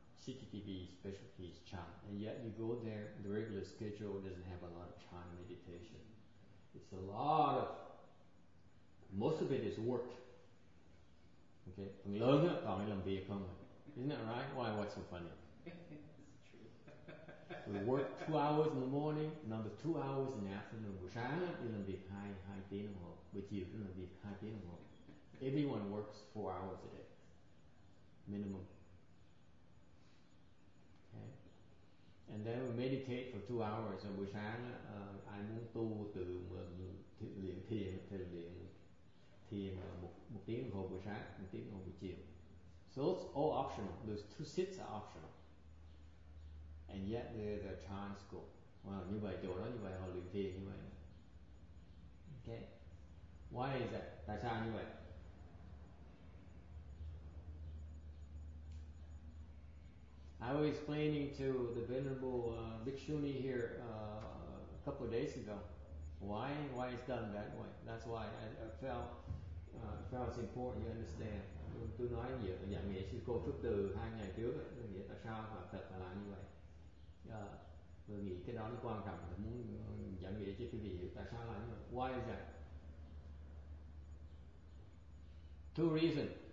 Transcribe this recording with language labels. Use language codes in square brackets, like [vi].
[en] CTTB specialty is chan, and yet you go there, the regular schedule doesn't have a lot of chan meditation. It's a lot of, most of it is work. [vi] Okay, phần lớn còn là làm việc không? [en] Isn't that right? Why? What's so funny? It's true. We work 2 hours in the morning, another 2 hours in the afternoon. [vi] Buổi sáng thì làm việc hai tiếng đồng hồ, buổi chiều thì làm việc hai tiếng đồng hồ. [en] Everyone works 4 hours a day, minimum. Okay. And then we meditate for 2 hours. And [vi] buổi sáng, ai muốn tu từ luyện thiền thì luyện thiền một tiếng đồng hồ buổi sáng, một tiếng đồng hồ buổi chiều. [en] So it's all optional. Those two sits are optional. And yet they're the chan school. [vi] Wow, như vậy chỗ đó như vậy họ luyện thiền như vậy. Ok. [en] Why is that? [vi] Tại sao như vậy? [en] I was explaining to the venerable Bhikshuni here a couple of days ago. Why it's done that way? That's why I felt it's important you understand. [vi] Tôi nói nhiều và giảng nghĩa sư cô phước từ hai ngày trước tôi nghĩ tại sao mà thật là như vậy. Tôi nghĩ cái đó nó quan trọng, tôi muốn giảng nghĩa cho quý vị hiểu tại sao là như vậy. [en] Why is that? Two reasons.